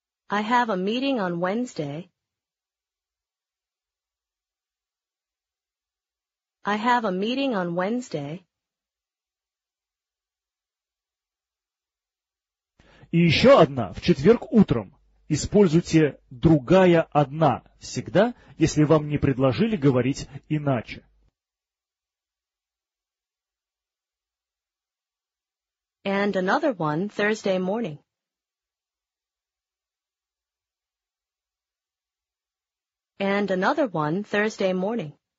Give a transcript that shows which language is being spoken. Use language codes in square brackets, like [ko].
[en] I have a meeting on Wednesday. I have a meeting on Wednesday. [ru] И еще одна в четверг утром. Используйте другая одна всегда, если вам не предложили говорить иначе. [en] And another one Thursday morning. And another one Thursday morning.